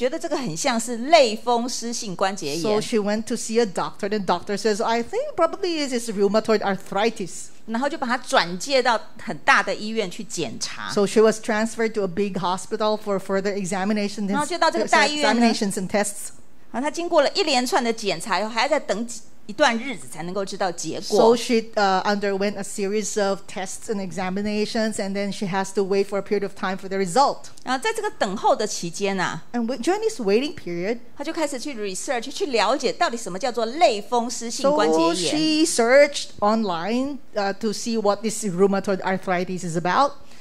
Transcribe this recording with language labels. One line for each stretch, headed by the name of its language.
Chinese: 那她就看医生，医生就说，哎呀，我觉得这个很像是类风湿性关节炎。
English: So she went to see a doctor. The doctor says, I think probably it is rheumatoid arthritis.
Chinese: 然后就把他转介到很大的医院去检查。
English: So she was transferred to a big hospital for further examinations and tests.
Chinese: 然后她经过了一连串的检查，还要再等一段日子才能够知道结果。
English: So she underwent a series of tests and examinations, and then she has to wait for a period of time for the result.
Chinese: 然后在这个等候的期间啊,
English: and during this waiting period,
Chinese: 她就开始去research，去了解到底什么叫做类风湿性关节炎。
English: So she searched online to see what this rheumatoid arthritis is about.